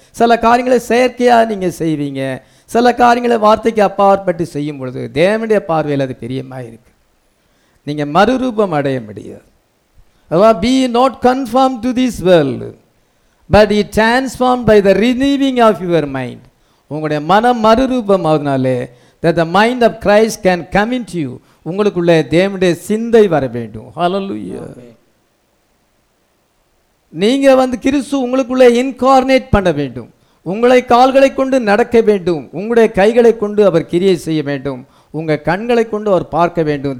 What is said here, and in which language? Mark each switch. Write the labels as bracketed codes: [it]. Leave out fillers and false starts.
[ta] சில காரியங்களை செயற்கையாக நீங்கள் செய்வீங்க, சில காரியங்களை வார்த்தைக்கு அப்பாற்பட்டு செய்யும் பொழுது தேவனுடைய பார்வையில் அது பெரியமாக இருக்கு. நீங்கள் மறுரூபம் அடைய முடியாது. அதான் [en] Be not conform to this world but it transform by the renewing of your mind. [ta] உங்களுடைய மனம் மறுரூபம் ஆகுதுனாலே [en] that the mind of Christ can come into you. [ta] உங்களுக்குள்ள தேவனுடைய சிந்தை வர வேண்டும். ஹல்லேலூயா. நீங்க வந்து கிறிஸ்து உங்களுக்குள்ள இன்கார்னேட் பண்ண வேண்டும். உங்களை கால்களை கொண்டு நடக்க வேண்டும். உங்களுடைய கைகளை கொண்டு அவர் கிரியை செய்ய வேண்டும். உங்கள் கண்களை கொண்டு அவர் பார்க்க வேண்டும்.